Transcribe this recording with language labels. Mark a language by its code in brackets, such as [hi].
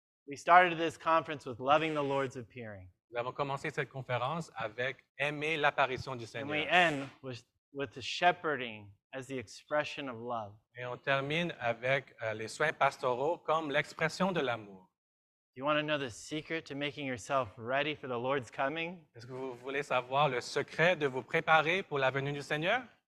[en] We started this conference with loving the Lord's appearing. [fr] Nous avons commencé cette conférence avec aimer l'apparition du Seigneur. [en] And we end with the shepherding as the expression of love. [fr] Et on termine avec les soins pastoraux comme l'expression de l'amour. [en] Do you want to know the secret to making yourself ready for the Lord's coming? [fr] Est-ce que vous voulez savoir le secret de vous préparer pour la venue du Seigneur?